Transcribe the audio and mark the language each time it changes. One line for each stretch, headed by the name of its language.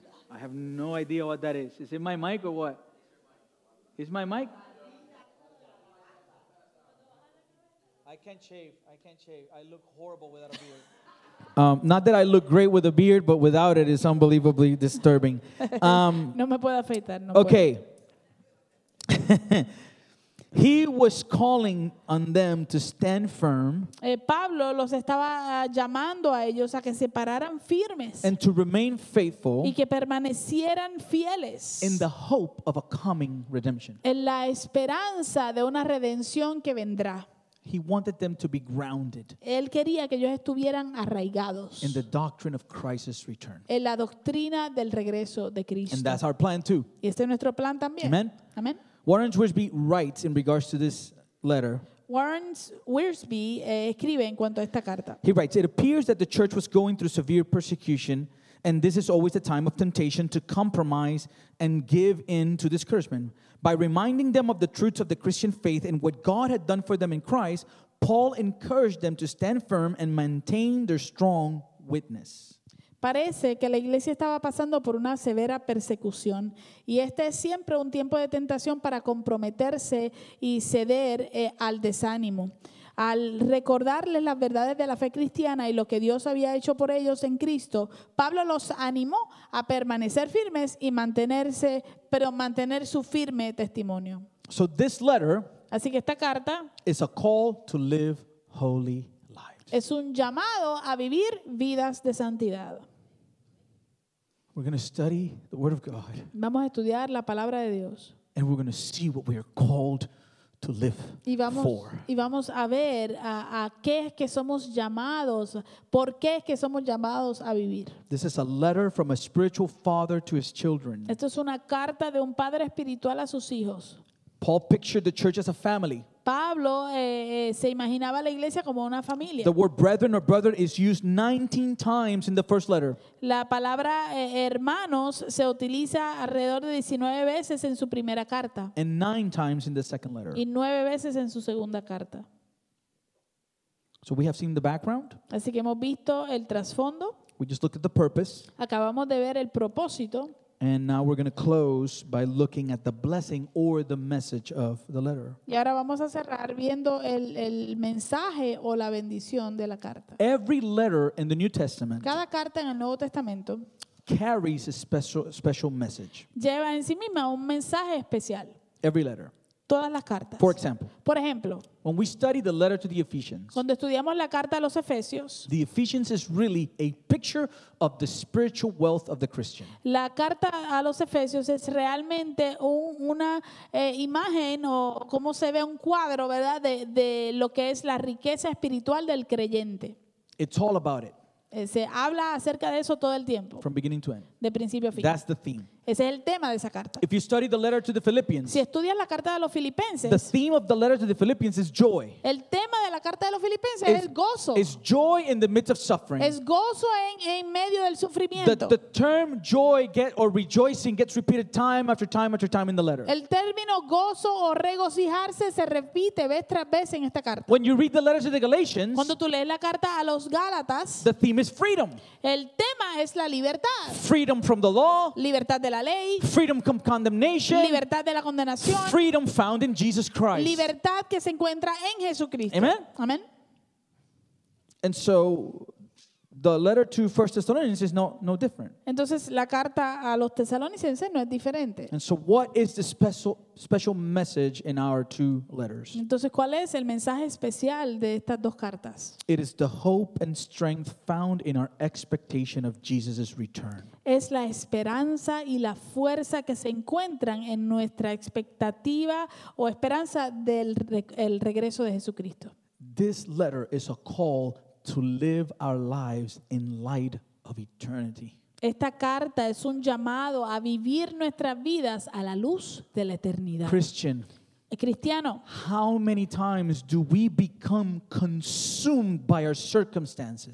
English: I have no idea what that is. Is it my mic or what? Is my mic? I can't shave. I look horrible without a beard. Not that I look great with a beard, but without it, it's unbelievably disturbing.
Spanish: No me puedo afeitar. No
English: okay.
Spanish: Puedo.
English: He was calling on them to stand firm.
Spanish: Pablo los estaba llamando a ellos a que se pararan firmes.
English: And to remain faithful.
Spanish: Y que permanecieran fieles.
English: In the hope of a coming redemption.
Spanish: En la esperanza de una redención que vendrá.
English: He wanted them to be grounded.
Spanish: Él quería que ellos estuvieran arraigados.
English: In the doctrine of Christ's return.
Spanish: En la doctrina del regreso de Cristo.
English: And that's our plan too.
Spanish: Y este es nuestro plan también.
English: Amen.
Spanish: Amen.
English: Warren Wiersbe writes in regards to this letter.
Spanish: Warren Wiersbe escribe en cuanto a esta carta.
English: He writes, "It appears that the church was going through severe persecution, and this is always a time of temptation to compromise and give in to discouragement. By reminding them of the truths of the Christian faith and what God had done for them in Christ, Paul encouraged them to stand firm and maintain their strong witness."
Spanish: Parece que la iglesia estaba pasando por una severa persecución y este es siempre un tiempo de tentación para comprometerse y ceder al desánimo. Al recordarles las verdades de la fe cristiana y lo que Dios había hecho por ellos en Cristo, Pablo los animó a permanecer firmes y mantener su firme testimonio.
English: So this letter,
Spanish: así que esta carta,
English: is a call to live holy lives.
Spanish: Es un llamado a vivir vidas de santidad.
English: We're going to study the word of God.
Spanish: Vamos a estudiar la palabra de Dios.
English: And we're going to see what we are called to live for.
Spanish: Y vamos a ver a qué es que somos llamados, por qué es que somos llamados a vivir.
English: This is a letter from a spiritual father to his children.
Spanish: Esto es una carta de un padre espiritual a sus hijos.
English: Paul pictured the church as a family.
Spanish: Pablo se imaginaba la iglesia como una familia.
English: The word brethren or brother is used 19 times in the first letter.
Spanish: La palabra hermanos se utiliza alrededor de 19 veces en su primera carta.
English: And 9 times in the second letter.
Spanish: Y 9 veces en su segunda carta.
English: So we have seen the background.
Spanish: Así que hemos visto el trasfondo.
English: We just looked at the purpose.
Spanish: Acabamos de ver el propósito.
English: And now we're going to close by looking at the blessing or the message of the letter.
Spanish: Y ahora vamos a cerrar viendo el mensaje o la bendición de la carta.
English: Every letter in the New Testament,
Spanish: cada carta en el Nuevo Testamento,
English: carries a special message.
Spanish: Lleva en sí misma un mensaje especial.
English: Every letter.
Spanish: Todas las cartas.
English: For example.
Spanish: Por ejemplo,
English: when we study the letter to the Ephesians,
Spanish: cuando estudiamos la carta a los Efesios,
English: the Ephesians is really a picture of the spiritual wealth of the Christian.
Spanish: La carta a los Efesios es realmente una imagen o cómo se ve un cuadro, ¿verdad? De lo que es la riqueza espiritual del creyente.
English: It's all about it.
Spanish: Se habla acerca de eso todo el tiempo.
English: From beginning to end.
Spanish: De principio a fin.
English: That's the theme.
Spanish: Ese es el tema de esa carta.
English: If you study the letter to the Philippians,
Spanish: si estudias la carta de los Filipenses,
English: the theme of the letter to the Philippians is joy.
Spanish: El tema de la carta de los Filipenses es el gozo.
English: It's joy in the midst of suffering.
Spanish: Es gozo en medio del sufrimiento.
English: The term joy or rejoicing gets repeated time after time after time in the letter.
Spanish: El término gozo o regocijarse se repite vez tras vez en esta carta.
English: When you read the letter to the Galatians,
Spanish: cuando tú lees la carta a los Gálatas,
English: the theme is freedom.
Spanish: El tema es la libertad.
English: Freedom from the law.
Spanish: Libertad de la ley,
English: freedom from condemnation,
Spanish: libertad de la condenación,
English: freedom found in Jesus Christ,
Spanish: libertad que se encuentra en Jesucristo.
English: Amen.
Spanish: Amen.
English: And so the letter to 1 Thessalonians is no different.
Spanish: Entonces la carta a los Tesalonicenses no es diferente.
English: And so what is the special message in our two letters?
Spanish: Entonces, ¿cuál es el mensaje especial de estas dos cartas?
English: It is the hope and strength found in our expectation of Jesus' return.
Spanish: Es la esperanza y la fuerza que se encuentran en nuestra expectativa o esperanza del el regreso de Jesucristo.
English: This letter is a call to live our lives in light of eternity.
Spanish: Esta carta es un llamado a vivir nuestras vidas a la luz de la eternidad.
English: Christian.
Spanish: Cristiano.
English: How many times do we become consumed by our circumstances?